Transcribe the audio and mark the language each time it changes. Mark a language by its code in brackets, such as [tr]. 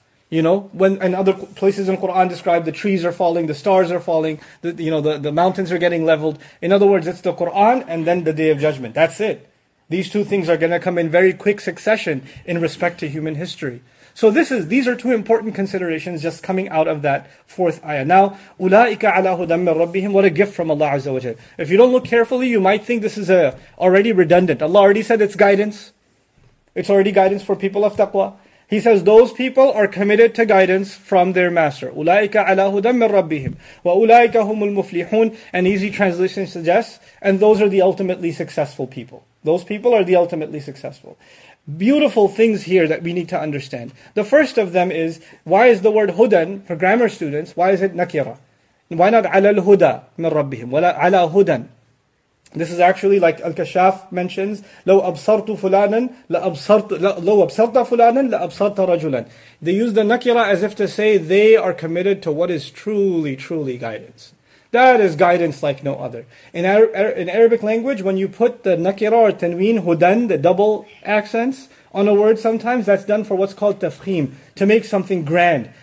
[en] You know, when, and other places in Quran describe the trees are falling, the stars are falling, the mountains are getting leveled. In other words, it's the Quran and then the Day of Judgment. That's it. These two things are going to come in very quick succession in respect to human history. So these are two important considerations just coming out of that fourth ayah. Now, [ar] أُولَٰئِكَ عَلَىٰ هُدًى مِّن رَبِّهِمْ. [en] What a gift from Allah Azza wa Jalla. If you don't look carefully, you might think this is already redundant. Allah already said it's guidance. It's already guidance for people of taqwa. He says those people are committed to guidance from their master. [ar] أُولَٰئِكَ عَلَىٰ هُدًى مِّن رَبِّهِمْ وَأُولَٰئِكَ هُمُ الْمُفْلِحُونَ. [en] An easy translation suggests, and those are the ultimately successful people. Those people are the ultimately successful. Beautiful things here that we need to understand. The first of them is, why is the word hudan, for grammar students, why is it nakira? Why not [ar] عَلَىٰ الْهُدَىٰ مِّن رَبِّهِمْ وَلَىٰ هُدًى. [en] This is actually like Al-Kashaf mentions, [ar] لَوْ أَبْصَرْتُ فُلَانًا لَوْ أَبْصَرْتَ فُلَانًا لَأَبْصَرْتَ رَجُلًا. [en] They use the nakira as if to say they are committed to what is truly, truly guidance. That is guidance like no other. In Arabic language, when you put the nakira or tanween, hudan, the double accents, on a word sometimes, that's done for what's called tafkhim, to make something grand.